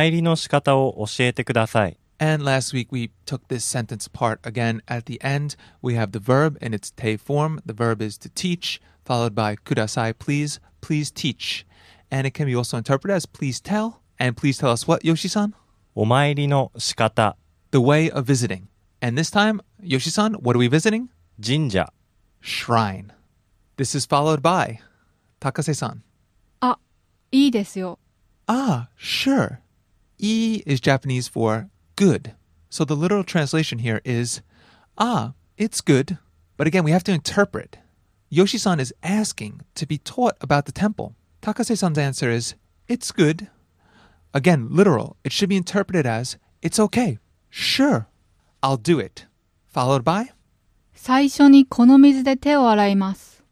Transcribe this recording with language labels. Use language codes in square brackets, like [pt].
[ja] お参りの仕方を教えてください. [en] And last week, we took this sentence apart again. At the end, we have the verb in its te form. The verb is to teach, followed by kudasai, please, please teach. And it can be also interpreted as please tell. And please tell us what, Yoshi-san? [ja] お参りの仕方. [en] The way of visiting. And this time, Yoshi-san, what are we visiting? [ja] 神社. [en] Shrine. This is followed by Takase-san. [ja] あ、いいですよ. [en] Ah, sure. I is Japanese for good. So the literal translation here is, ah, it's good. But again, we have to interpret. Yoshi-san is asking to be taught about the temple. Takase-san's answer is, it's good. Again, literal, it should be interpreted as, it's okay. Sure, I'll do it. Followed by, [ja] 最初にこの水で手を洗います.